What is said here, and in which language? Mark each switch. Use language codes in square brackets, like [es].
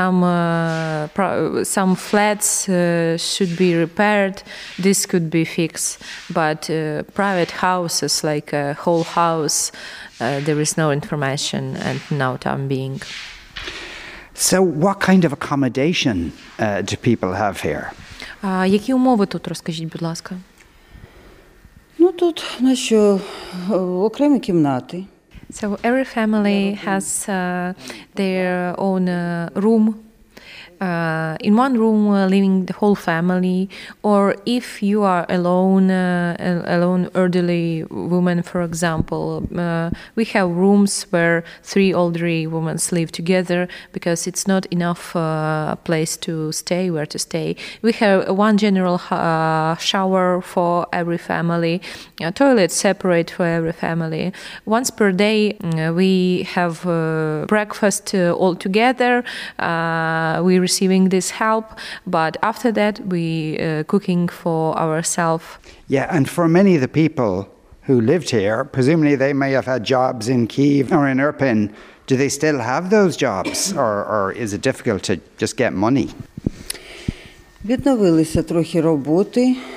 [en] If some flats should be repaired, this could be fixed. But private houses, like a whole house, there is no information and no time being. So what kind of accommodation do people have here? [uk] Які умови тут, розкажіть, будь ласка? Тут, на що, окремі кімнати. [en] So every family has their own room. In one room living the whole family, or if you are alone, alone elderly woman, for example, we have rooms where three elderly women live together because it's not enough place to stay, where to stay. We have one general shower for every family, a toilet separate for every family. Once per day, we have breakfast all together. We receive this help, but after that we cooking for ourselves. Yeah, and for many of the people who lived here, presumably they may have had jobs in Kyiv or in Irpin. Do they still have those jobs, or is it difficult to just get money? [uk] Відновилися трохи роботи.